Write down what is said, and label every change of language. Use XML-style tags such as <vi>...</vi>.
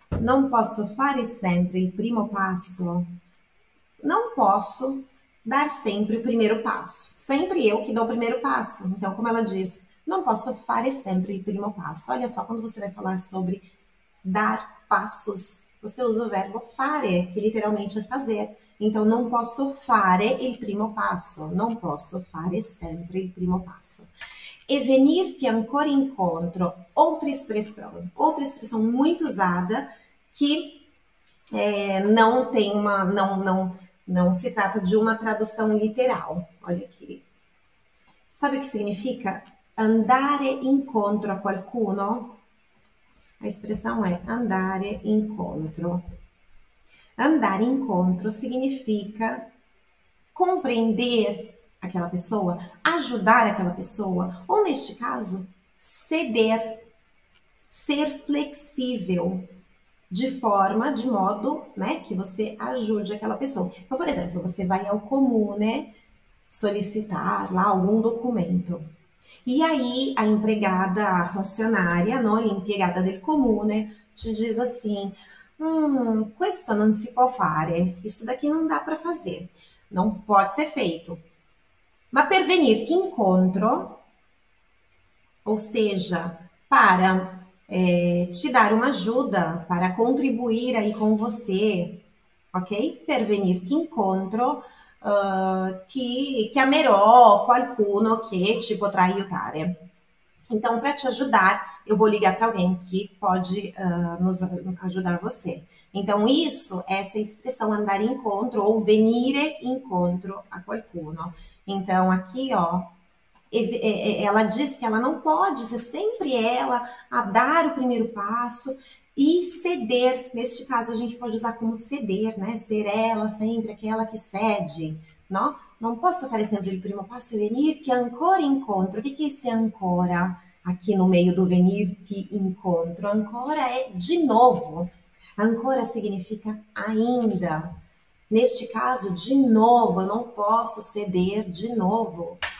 <it>Non posso fare sempre il primo passo.</it> <pt>Não posso dar sempre o primeiro passo. Sempre eu que dou o primeiro passo. Então, como ela diz, não posso</pt> <it>fare sempre il primo passo.</it> <pt>Olha só, quando você vai falar sobre dar passos, você usa o verbo fare, que literalmente é fazer. Então, não posso</pt> <it>fare il primo passo.</it> <pt>Não posso</pt> <it>fare sempre il primo passo. E venirti ancora incontro,</it> <pt>outra expressão muito usada que não tem uma, não se trata de uma tradução literal. Olha aqui. Sabe o que significa</pt> <it>andare incontro a qualcuno?</it> <pt>A expressão é</pt> <it>andare incontro. Andare incontro</it> <pt>significa compreender aquela pessoa, ajudar aquela pessoa, ou neste caso, ceder, ser flexível de modo, né, que você ajude aquela pessoa. Então, por exemplo, você vai ao comune solicitar lá algum documento. E aí a empregada, a funcionária, não, a empregada del comune, te diz assim:</pt> <it>questo non si può fare,</it> <pt>isso daqui não dá para fazer, não pode ser feito.</pt> <it>Ma per venirti incontro,</it> <pt>ou seja, para te dar uma ajuda, para contribuir aí com você, ok?</pt> <it>Per venirti incontro, ti chiamerò qualcuno che ci potrà aiutare.</it> <pt>Então, para te ajudar, eu vou ligar para alguém que pode nos ajudar você. Então, isso é essa expressão</pt> <it>andare incontro</it> <pt>ou</pt> <it>venire incontro a qualcuno.</it> <pt>Então, aqui, ó, ela diz que ela não pode ser sempre ela a dar o primeiro passo e ceder. Neste caso, a gente pode usar como ceder, né? Ser ela sempre aquela que cede.</pt> <it>No? Non posso fare sempre il primo passo e venirti ancora incontro. Che se ancora</it> <pt>aqui no meio do</pt> <it>venirti incontro? Ancora è di nuovo. Ancora significa ainda.</it> <pt>Neste caso,</pt> <it>di nuovo, non posso sedere di nuovo.</it>